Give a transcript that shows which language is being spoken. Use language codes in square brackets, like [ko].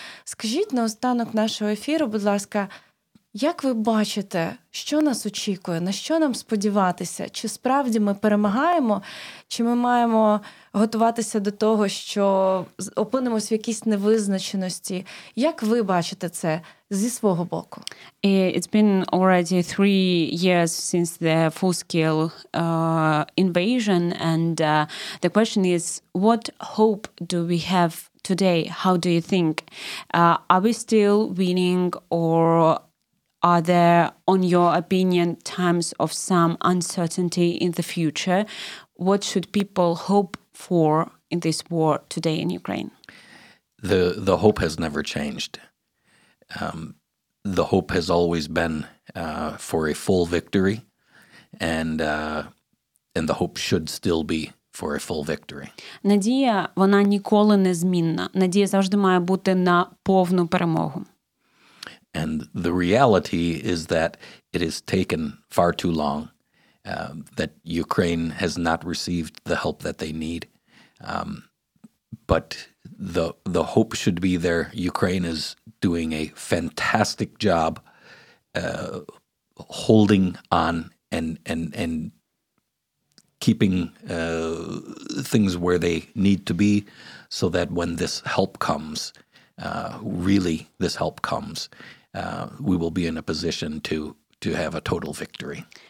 [uk] Скажіть наостанок нашого ефіру, будь ласка, як ви бачите, що нас очікує, на що нам сподіватися? Чи справді ми перемагаємо, чи ми маємо готуватися до того, що опинимось в якійсь невизначеності? Як ви бачите це зі свого боку? [en] It's been already 3 years since the full-scale invasion, and the question is, what hope do we have today? How do you think? Are we still winning or are there, on your opinion, times of some uncertainty in the future? What should people hope for in this war today in Ukraine? The hope has never changed. The hope has always been for a full victory, and the hope should still be for a full victory. [uk] Надія, вона ніколи не змінна. Надія завжди має бути на повну перемогу. [en] And the reality is that it has taken far too long, that Ukraine has not received the help that they need. But the hope should be there. Ukraine is doing a fantastic job holding on and keeping things where they need to be so that when this help comes, really this help comes, we will be in a position to have a total victory.